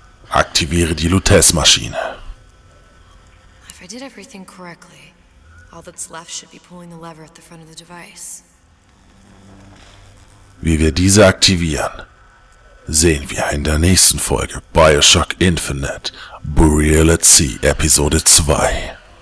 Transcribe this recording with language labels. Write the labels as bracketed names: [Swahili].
[German] Aktiviere die Lutez-Maschine. [English] If I did everything correctly, all that's left should be pulling the lever at the front of the device. [German] Wie wir diese aktivieren, sehen wir in der nächsten Folge Bioshock Infinite, Burial at Sea, Episode 2.